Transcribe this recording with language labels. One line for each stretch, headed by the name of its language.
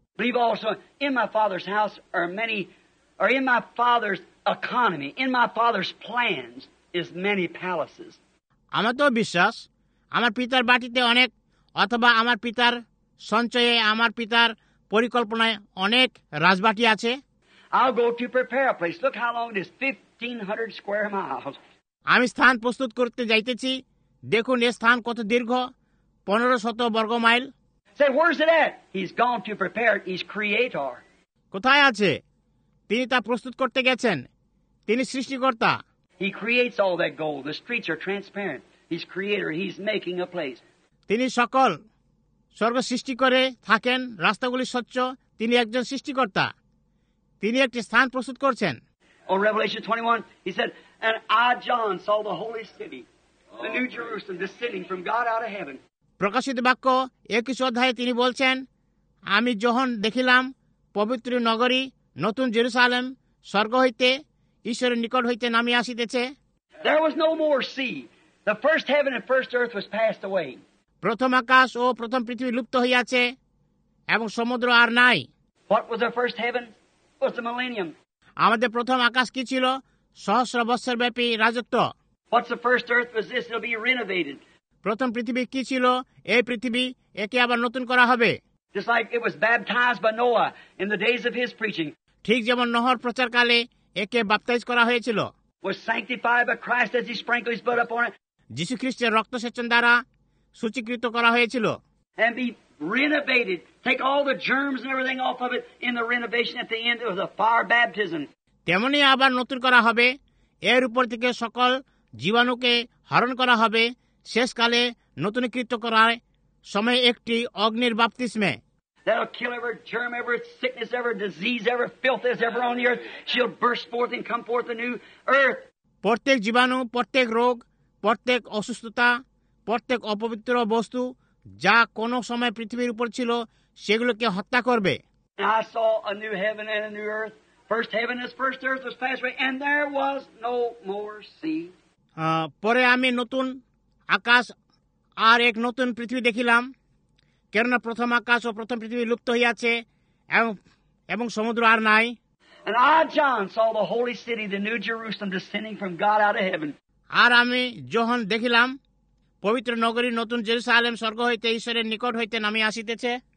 English: Believe also in my father's house are many, or in my father's economy, in my father's plans is many palaces.
Bangla: আমার তো বিশ্বাস, আমার পিতার বাটিতে অনেক, অথবা আমার পিতার সঞ্চয়ে, আমার পিতার পরিকল্পনায় অনেক রাজবাটি আছে।
English: I'll go to prepare a place. Look how long it is, 1500 square miles.
Bangla: আমি স্থান প্রস্তুত করতে যাইতেছি, দেখুন এ স্থান কত দীর্ঘ, 1500 বর্গ mile.
English: Say, where is it at? He's gone to prepare it. He's creator.
Bangla: কোথায় আছে? তিনি তা প্রস্তুত করতে গেছেন, তিনি সৃষ্টিকর্তা।
English: He creates all that gold. The streets are transparent. He's creator. He's making a place.
Bangla: তিনি সকল স্বর্গ সৃষ্টি করে থাকেন, রাস্তাগুলি স্বচ্ছ, তিনি একজন সৃষ্টিকর্তা, তিনি একটি স্থান প্রস্তুত করছেন।
English: On Revelation 21, he said, and I, John, saw the holy city, the new Jerusalem, descending from God out of heaven.
Bangla: প্রকাশিত বাক্য 21 অধ্যায়ে তিনি বলছেন, আমি যখন দেখিলাম পবিত্র নগরী নতুন জেরুসালেম স্বর্গ হইতে ঈশ্বরের নিকট হইতে নামিয়ে আসিতেছে।
English: There was no more sea. The first heaven and first earth was passed away.
Bangla: প্রথম আকাশ ও প্রথম পৃথিবী লুপ্ত হইয়াছে এবং সমুদ্র আর নাই।
English: What was the first heaven? It was the millennium.
Bangla: আমাদের প্রথম আকাশ কি ছিল? সহস্র বৎসর ব্যাপী রাজত্ব।
English: What's the first earth? Was this? It'll be renovated.
Bangla: প্রথম পৃথিবী কি ছিল? এই পৃথিবী একে আবার নতুন করা হবে।
English: Just like it was baptized by Noah in the days of his preaching.
Bangla: ঠিক যেমন নোহর প্রচারকালে একে বাপ্তাইজ করা হয়েছিল।
English: Was sanctified by Christ as he sprinkled his blood upon it.
Bangla: যীশু খ্রিস্টের রক্তসেচন দ্বারা শুচিকৃত করা হয়েছিল।
English: And be renovated. Take all the germs and everything off of it in the renovation at the end of the fire baptism.
Bangla: তেমনি আবার নতুন করা হবে। এর উপর থেকে সকল জীবাণুকে হরণ করা হবে শেষকালে নতুনকৃত করার সময় একটি অগ্নির বাপ্তিস্মে।
English: That'll kill every germ, every sickness, every disease, every filth that's ever on the earth. She'll burst forth and come forth a new earth.
Bangla: প্রত্যেক জীবাণু, প্রত্যেক রোগ, প্রত্যেক অসুস্থতা, প্রত্যেক অপবিত্র বস্তু যা কোনো সময় পৃথিবীর উপর ছিল সেগুলোকে হত্যা করবে।
English: I saw a new heaven and a new earth. First heaven and first earth was passed away and there was no more sea.
Bangla: পরে আমি নতুন আকাশ আর এক নতুন পৃথিবী দেখিলাম, কেননা প্রথম আকাশ ও প্রথম পৃথিবী লুপ্ত হইয়াছে এবং সমুদ্র আর নাই।
English: And I, John, saw the holy city, the new Jerusalem, descending from God out of heaven.
Bangla: আর আমি যোহন দেখিলাম পবিত্র নগরী নতুন জেরুসালেম স্বর্গ হইতে ঈশ্বরের নিকট হইতে নামিয়ে আসিতেছে।